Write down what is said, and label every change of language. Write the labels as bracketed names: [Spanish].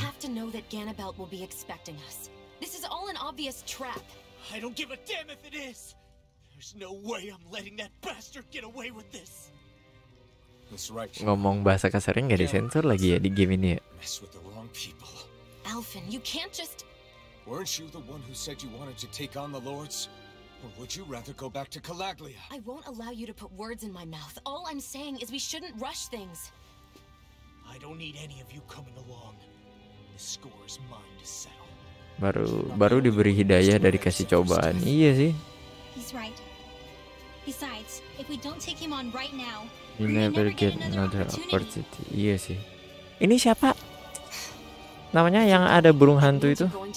[English] You have to know that Ganabelt will be expecting us. This is all an obvious trap. I don't give a damn if it is. There's no way I'm letting that bastard get away with this. That's right. [Indonesian] Ngomong bahasa kasarnya nggak disensor lagi ya di game ini ya. [English] Mess with the wrong people. Alfin, you can't just... Weren't you the one who said you wanted to take on the lords? Or would you rather go back to Calaglia? I won't allow you to put words in my mouth. All I'm saying is we shouldn't rush things. I don't need any of you coming along. The score is mine to settle. [Indonesian] Baru diberi hidayah dari kasih cobaan. Iya sih. [English] He's right. Besides, if we don't take him on right now, you never get another opportunity. [Indonesian] Iya sih. Ini siapa? Namanya yang ada burung hantu itu.